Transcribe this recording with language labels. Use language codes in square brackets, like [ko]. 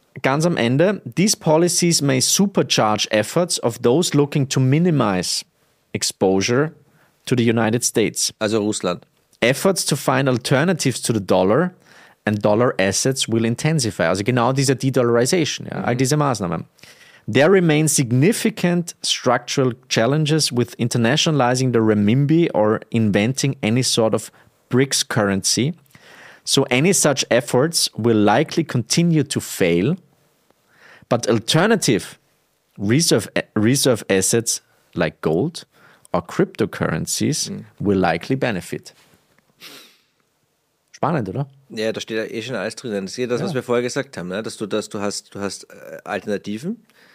[de] Ganz am Ende, [en] these policies may supercharge efforts of those looking to minimize exposure to the United States. [de] Also Russland. [en] Efforts to find alternatives to the dollar and dollar assets will intensify. [de] Also genau diese De-Dollarization, ja, all diese Maßnahmen. [en] There remain significant structural challenges with internationalizing the renminbi or inventing any sort of BRICS currency. So any such efforts will likely continue to fail, but alternative reserve assets like gold or cryptocurrencies will likely benefit. [de] Spannend, oder? Ja, da steht ja eh schon alles drin. Das ist das, was wir vorher gesagt haben, ne? dass du hast Alternativen.